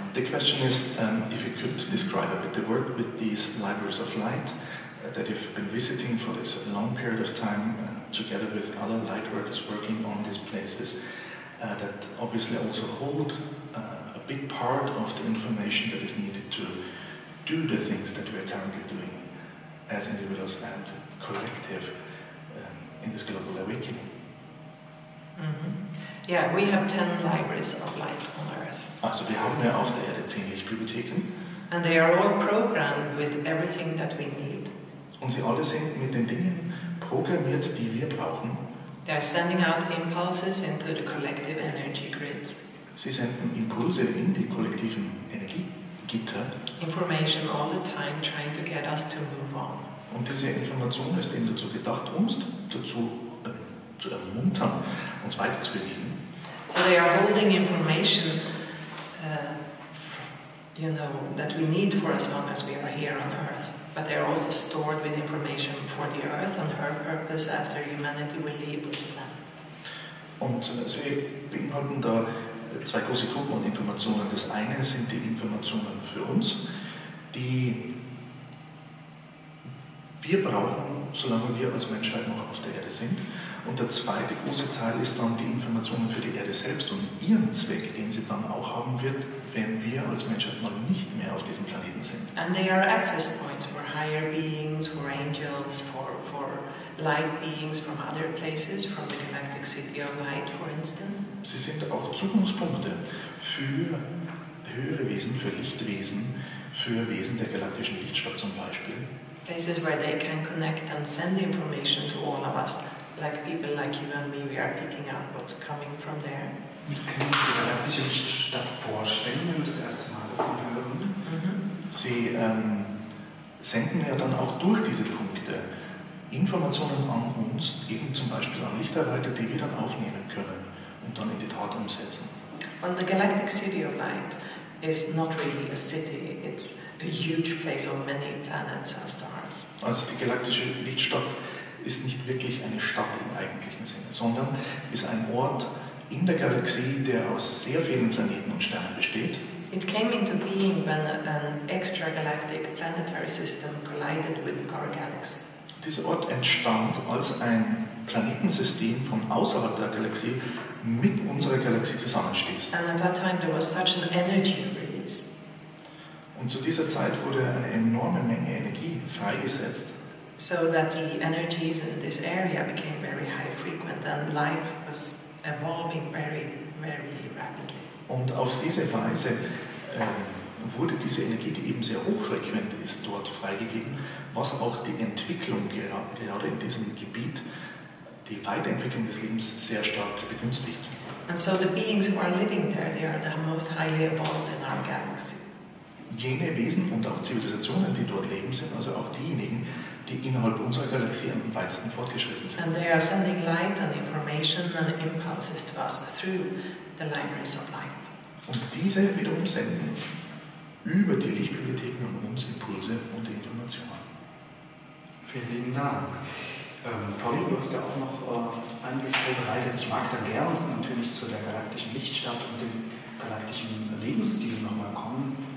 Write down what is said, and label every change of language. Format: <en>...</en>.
<en>The question is if you could describe a bit the work with these libraries of light that you've been visiting for this long period of time together with other light workers working on these places that obviously also hold a big part of the information that is needed to do the things that we are currently doing as individuals and collective in this global awakening. Yeah, we have 10 libraries of light on Earth.</en> <de>Also wir haben ja auf der Erde 10 Lichtbibliotheken.</de> <en>And they are all programmed with everything that we need.</en> <de>Und sie alle sind mit den Dingen programmiert, die wir brauchen.</de> <en>They are sending out impulses into the collective energy grids.</en> <de>Sie senden Impulse in die kollektiven Energiegitter.</de> <en>Information all the time trying to get us to move on.</en> <de>Und diese Information ist eben dazu gedacht, uns dazu zu ermuntern, uns weiterzubewegen.</de> <en>So they are holding information you know, that we need for as long as we are here on Earth. But they are also stored with information for the Earth and her purpose after humanity will leave this planet.</en> <de>Und sie beinhalten da zwei große Gruppen von Informationen. Das eine sind die Informationen für uns, die wir brauchen, solange wir als Menschheit noch auf der Erde sind. Und der zweite große Teil ist dann die Informationen für die Erde selbst und ihren Zweck, den sie dann auch haben wird, wenn wir als Menschheit mal nicht mehr auf diesem Planeten sind.</de> <en>And they are access points for higher beings, for angels, for light beings from other places, from the galactic city of light, for instance.</en> <de>Sie sind auch Zugangspunkte für höhere Wesen, für Lichtwesen, für Wesen der galaktischen Lichtstadt zum Beispiel.</de> <en>Places where they can connect and send information to all of us. Like people like you and me, we are picking up what's coming from there.</en> <de>Wie können Sie sich die galaktische Lichtstadt vorstellen, wenn wir das erste Mal davon hören? Mm-hmm. Sie senden ja dann auch durch diese Punkte Informationen an uns, eben zum Beispiel an Lichtarbeiter, die wir dann aufnehmen können und dann in die Tat umsetzen.</de> <en>And the Galactic City of Light is not really a city, it's a huge place of many planets and stars.</en> <de>Also die galaktische Lichtstadt ist nicht wirklich eine Stadt im eigentlichen Sinne, sondern ist ein Ort in der Galaxie, der aus sehr vielen Planeten und Sternen besteht.</de> <en>It came into being when an extragalactic planetary system collided with our galaxy.</en> <de>Dieser Ort entstand, als ein Planetensystem von außerhalb der Galaxie mit unserer Galaxie zusammenstieß.</de> <en>And at that time there was such an energy release.</en> <de>Und zu dieser Zeit wurde eine enorme Menge Energie freigesetzt.</de> <en>So that the energies in this area became very high frequent and life was evolving very, very rapidly.</en> <de>Und auf diese Weise wurde diese Energie, die eben sehr hochfrequent ist, dort freigegeben, was auch die Entwicklung gerade in diesem Gebiet, die Weiterentwicklung des Lebens sehr stark begünstigt.</de> <en>And so the beings who are living there, they are the most highly evolved in our galaxy.</en> <de>Jene Wesen und auch Zivilisationen, die dort leben, sind also auch diejenigen, die innerhalb unserer Galaxie am weitesten fortgeschritten sind.</de> <en>And they are sending light and information and impulses to us through the libraries of light.</en> <de>Und diese wiederum senden über die Lichtbibliotheken an uns Impulse und Informationen. Vielen lieben Dank. Pauline, du hast ja auch noch einiges vorbereitet. Ich mag dann gerne uns natürlich zu der galaktischen Lichtstadt und dem galaktischen Lebensstil nochmal kommen.</de>